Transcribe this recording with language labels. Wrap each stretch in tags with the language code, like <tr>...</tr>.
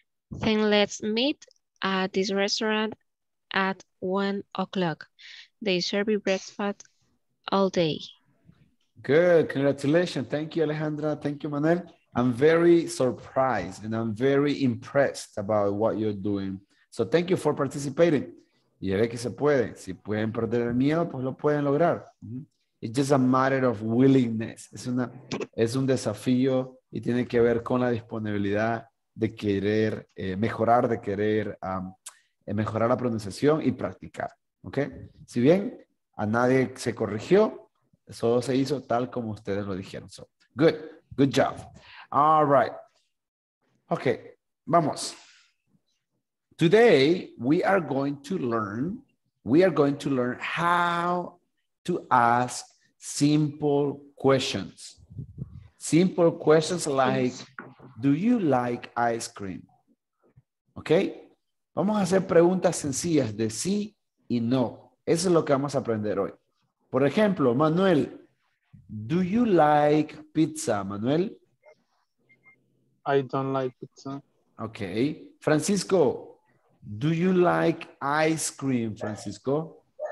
<en>Then let's meet at this restaurant at 1 o'clock. They serve you breakfast all day. Good, congratulations. Thank you, Alejandra. Thank you, Manuel. I'm very surprised and I'm very impressed about what you're doing. So thank you for participating.</en> <es>Y ve que se puede. Si pueden perder el miedo, pues lo pueden lograr.</es> <en>It's just a matter of willingness.</en> <es>Es un desafío y tiene que ver con la disponibilidad de querer mejorar, de querer mejorar la pronunciación y practicar. ¿Okay? Si bien a nadie se corrigió, solo se hizo tal como ustedes lo dijeron.</es> <en>So, good. Good job. All right. Okay. Vamos. Today, we are going to learn how to ask simple questions. Simple questions like, do you like ice cream? Okay.</en> <es>Vamos a hacer preguntas sencillas de sí y no. Eso es lo que vamos a aprender hoy. Por ejemplo,</es> <en>Manuel, do you like pizza, Manuel? I don't like pizza. Okay. Francisco, do you like ice cream, Francisco?</en>